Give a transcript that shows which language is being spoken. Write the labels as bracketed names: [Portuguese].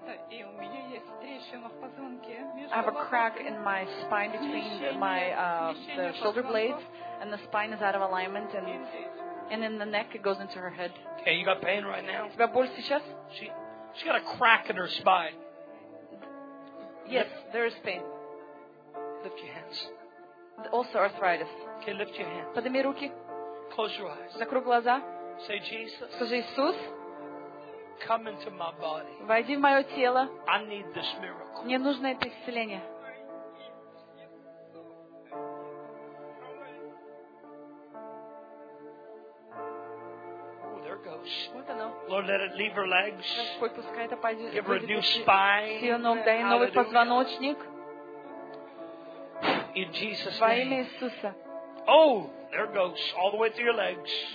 [Russian] И у меня есть трещина в позвонке. [English] I have a crack in my spine between my the shoulder blades and the spine is out of alignment and in the neck it goes into her head. Okay, you got pain right now? [Russian] У тебя боль сейчас? [English] She got a crack in her spine. Yes, there is pain. Lift your hands. Also arthritis. Okay, lift your hands. [Russian] Подними руки. [English] Close your eyes. [Russian] Закрой глаза. [English] Say Jesus. [Russian] Скажи Иисус. [English] Come into my body. [Russian] Войди в мое тело. [English] I need this miracle. [Russian] Мне нужно это исцеление. [English] Lord, let it leave her legs. [Russian] Господь, пускай это пойдет. [English] Give her a new spine. [Russian] Все ног, дай новый позвоночник. [English] In Jesus' name. [Russian] Во имя Иисуса. [English] Oh, there it goes, all the way through your legs.